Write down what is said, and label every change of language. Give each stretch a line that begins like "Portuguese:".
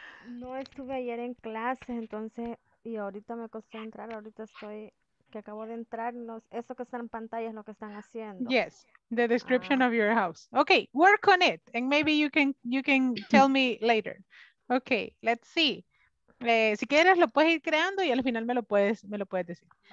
Spanish: No estuve ayer en clase, entonces, y ahorita me costó entrar, ahorita estoy, que acabo de entrar, eso que está en pantalla es lo que están haciendo.
English: Yes, the description of your house. Okay, work on it, and maybe you can tell me later. Okay, let's see.
Spanish: Si quieres lo puedes ir creando y al final me lo puedes decir.